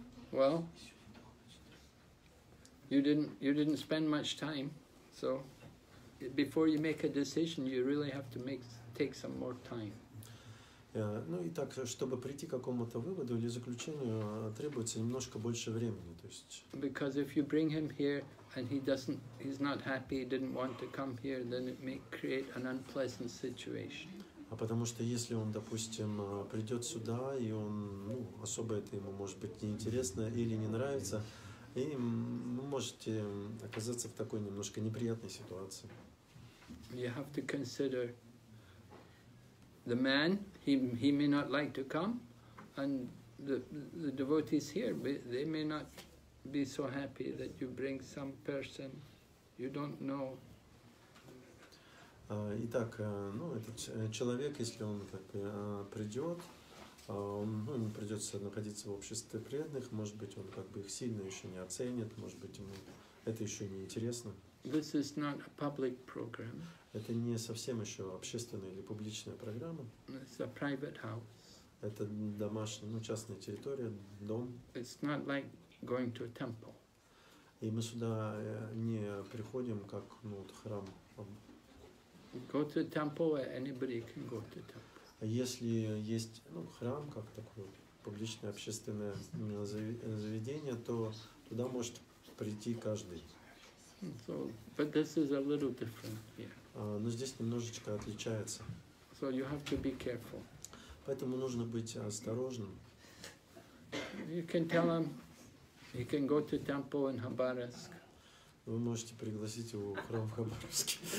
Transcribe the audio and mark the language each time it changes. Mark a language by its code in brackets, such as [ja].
[en] Well, you didn't spend much time, so before you make a decision, you really have to take some more time. [ru] Ну и так, чтобы прийти к какому-то выводу или заключению, требуется немножко больше времени, то есть. [en] Because if you bring him here and he's not happy, he didn't want to come here, then it may create an unpleasant situation. [ru] А потому что если он, допустим, придет сюда и он, ну, особо это ему может быть неинтересно или не нравится, и вы можете оказаться в такой немножко неприятной ситуации. [en] You have to consider. The man, he may not like to come, and the devotees here, they may not be so happy that you bring some person you don't know. [ru] Итак, ну этот человек, если он как придет, ну, ему придется находиться в обществе преданных, может быть, он как бы их сильно еще не оценит, может быть, ему это еще не интересно. [en] This is not a public program. [ru] Это не совсем еще общественная или публичная программа. [en] It's a private house. [ru] Это домашняя, ну, частная территория, дом. [en] It's not like going to a temple. [ru] И мы сюда не приходим, как, ну, вот, храм. [en] Go to a temple, anybody can go to a temple. [ru] А если есть, ну, храм, как такое публичное общественное заведение, то туда может прийти каждый. [en] So, but this is a little different here. [ru] Но здесь немножечко отличается. [en] So you have to be careful. [ru] Поэтому нужно быть осторожным. [en] You can tell him, you can go to temple in Khabarovsk. [ru] Вы можете пригласить его в храм в Хабаровске.